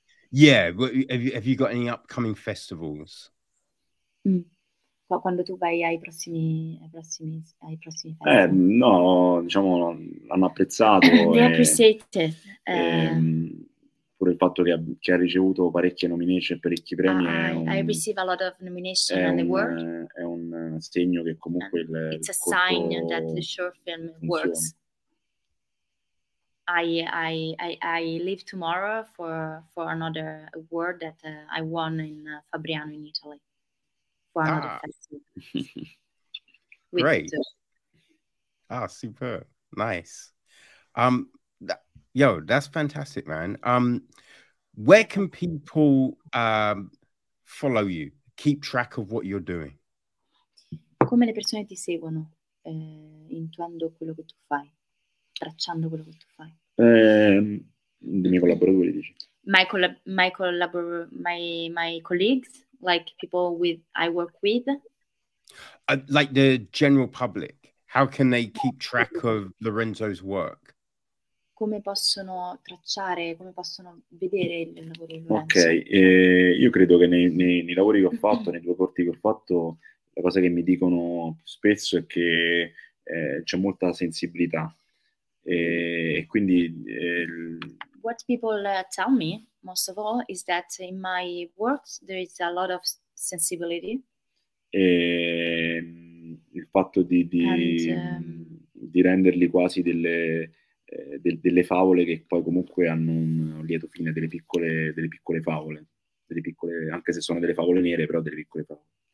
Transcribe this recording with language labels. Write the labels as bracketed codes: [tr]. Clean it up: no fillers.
[en] Yeah, have you got any upcoming festivals? [it] Quando tu vai ai prossimi festival. No, diciamo, hanno apprezzato. [en] They appreciate it. [it] Pure il fatto che ha ricevuto parecchie nomination, parecchi premi. [en] I receive a lot of nomination and award. [it] È un segno che comunque il [en] it's a sign that the short film [it] funziona. [en] Works. I leave tomorrow for another award that I won in Fabriano in Italy. Great. Superb. Nice. That's fantastic, man. Where can people follow you? Keep track of what you're doing. [it] Come le persone ti seguono, intuando quello che tu fai, tracciando quello che tu fai. I miei collaboratori, dici. [en] My colleagues. Like people with I work with, like the general public. How can they keep track of Lorenzo's work? [it] Come possono tracciare? Come possono vedere il lavoro di Lorenzo? Ok, io credo che nei lavori che ho fatto, nei due corti che ho fatto, la cosa che mi dicono spesso è che c'è molta sensibilità e quindi. [en] What people tell me most of all is that in my works there is a lot of sensibility. [it] E il fatto di renderli quasi delle favole che poi comunque hanno un lieto fine, delle piccole favole, delle piccole, anche se sono delle favole nere, però delle piccole favole.